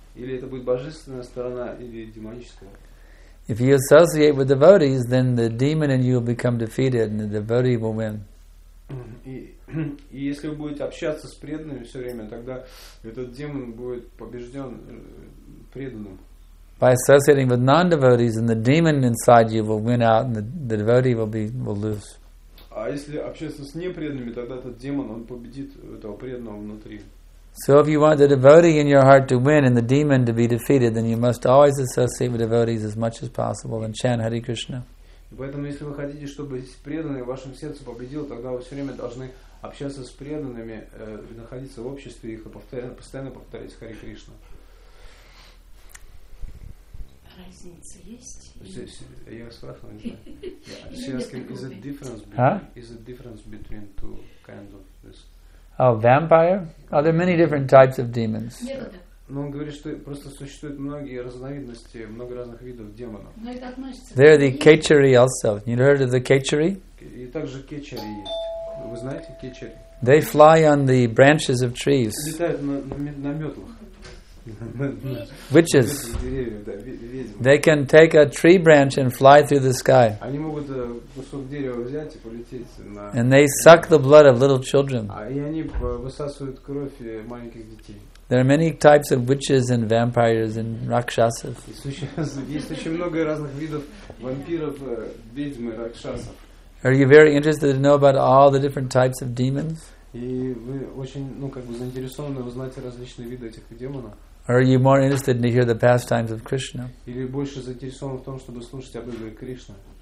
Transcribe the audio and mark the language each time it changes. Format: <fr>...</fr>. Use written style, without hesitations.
<ru>Или это будет божественная сторона или демоническая?</ru> <en>If you associate with devotees, then the demon in you will become defeated, and the devotee will win.</en> <ru>И если вы будете общаться с преданными все время, тогда этот демон будет побежден преданным.</ru> <en>By associating with non-devotees, then the demon inside you will win out, and the devotee will lose.</en> <ru>А если общаться с непреданными, тогда этот демон он победит этого преданного внутри.</ru> <en>So if you want the devotee in your heart to win and the demon to be defeated, then you must always associate with devotees as much as possible and chant Hare Krishna.</en> <ru>Поэтому, если вы хотите, чтобы преданный в вашем сердце победил, тогда вы все время должны общаться с преданными, находиться в обществе их и постоянно повторять Харе Кришна. Разница есть? Здесь, я спрашиваю, не знаю.</ru> <en>Asking, is, the difference between two kinds of this? Oh, vampire? Oh, there are many different types of demons.</en> <ru>Но он говорит, что просто существуют многие разновидности, много разных видов демонов.</ru> <en>There are the Kechari also. You heard of the Kechari?</en> <ru>И также Кечари есть. Вы знаете Кечари?</ru> <en>They fly on the branches of trees.</en> <ru>Летают на метлах.</ru> <en>Witches. They can take a tree branch and fly through the sky.</en> <ru>Они могут кусок дерева взять и полететь на.</ru> <en>And they suck the blood of little children.</en> <ru>И они высасывают кровь маленьких детей.</ru> <en>There are many types of witches and vampires and rakshasas.</en> <ru>Есть очень много разных видов вампиров, ведьм и ракшасов.</ru> <en>Are you very interested to know about all the different types of demons?</en> <ru>И вы очень, ну как бы заинтересованы узнать различные виды этих демонов?</ru> <en>Are you more interested to hear the pastimes of Krishna?</en> <ru>Или больше заинтересованы в том, чтобы слушать об игре Кришны?</ru>